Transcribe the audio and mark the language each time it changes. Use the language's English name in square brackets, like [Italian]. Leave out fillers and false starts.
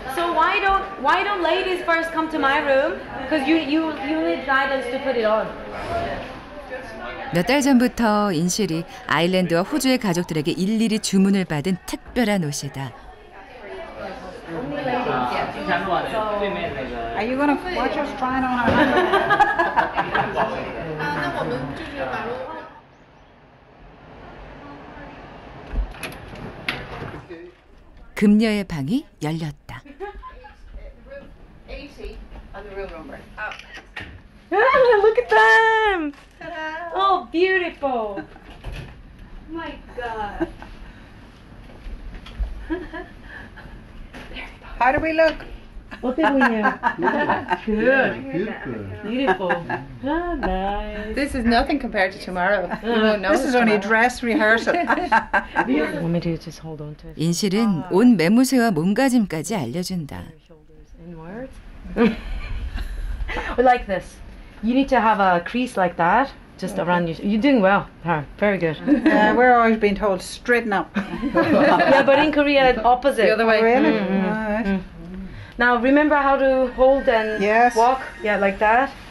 [English] So why don't ladies first come to my room? Cuz you need guidance to put it on. [Korean] 몇 달 전부터 인실이 아일랜드와 호주의 가족들에게 일일이 주문을 받은 특별한 옷이다. [English] Are you gonna watch us try it on? [Korean] 금녀의 방이 열렸다. [English] 80 on the room number. Look at them. Ta-da. Oh, beautiful. My God. How do we look? [Korean] 어때 보이냐? [English] Good. Beautiful. Oh, nice. This is nothing compared to tomorrow. This is only dress rehearsal. Want me to just hold on to it? [Korean] 인실은 온 매무새와 몸가짐까지 알려준다. [English] We like this. You need to have a crease like that. Just around you. You're doing well, Tara. Very good. We're always being told straighten up. Yeah, but in Korea, opposite. The other way. Oh, really? Mm-hmm. Mm-hmm. Right. Mm-hmm. Now, remember how to hold and walk? Yeah, like that.